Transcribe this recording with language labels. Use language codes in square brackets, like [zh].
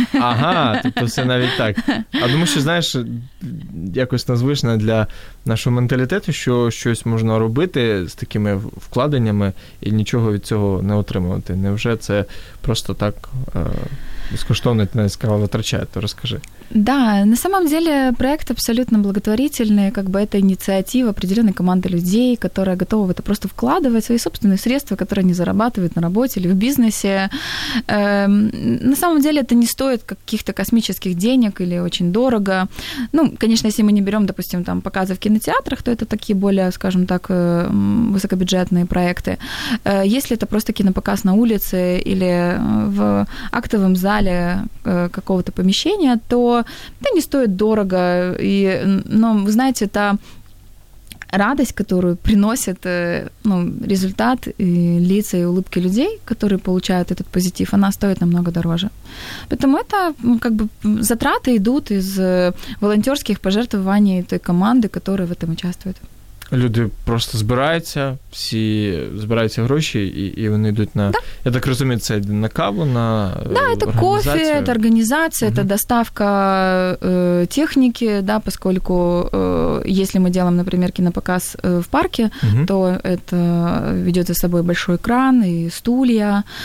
[uk] Ага, тобто все навіть так. А тому що, знаєш, якось незвично для нашого менталітету, що щось можна робити з такими вкладеннями і нічого від цього не отримувати. Невже це просто так безкоштовно, ти навіть сказала, витрачають, то розкажи. [ru] Да, на самом деле проект абсолютно благотворительный, как бы это инициатива определенной команды людей, которая готова в это просто вкладывать свои собственные средства, которые они зарабатывают на работе или в бизнесе. На самом деле это не стоит каких-то космических денег или очень дорого. Ну, конечно, если мы не берем, допустим, там, показы в кинотеатрах, то это такие более, скажем так, высокобюджетные проекты. Если это просто кинопоказ на улице или в актовом зале какого-то помещения, то это не стоит дорого, но, вы знаете, это радость, которую приносит ну, результат и лица, и улыбки людей, которые получают этот позитив, она стоит намного дороже. Поэтому это как бы затраты идут из волонтерских пожертвований той команды, которая в этом участвует. [uk] Люди просто збираються, всі збираються гроші, і вони йдуть на... [ru] Да. [uk] Я так розумію, це на каву, на да, це кофе, це організація, це доставка техніки, да, поскольку, якщо ми робимо, наприклад, кінопоказ в парку, то це веде за собою великий екран і стулья.